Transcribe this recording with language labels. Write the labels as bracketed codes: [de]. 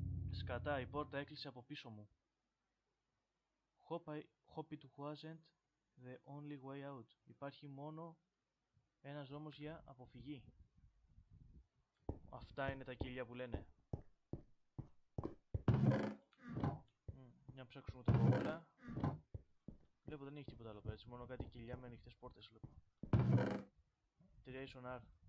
[el] Σκατά, η πόρτα έκλεισε από πίσω μου. [en] Hope it wasn't the only way out. [el] Υπάρχει μόνο ένας δρόμος για αποφυγή. Αυτά είναι τα κύλια που λένε. Για να ψάξουμε τα κόμματα. Βλέπω δεν έχει τίποτα άλλο πέρα, έτσι. Μόνο κάτι κυλιά με ανοιχτές πόρτες, βλέπω. Τρία ίσον R.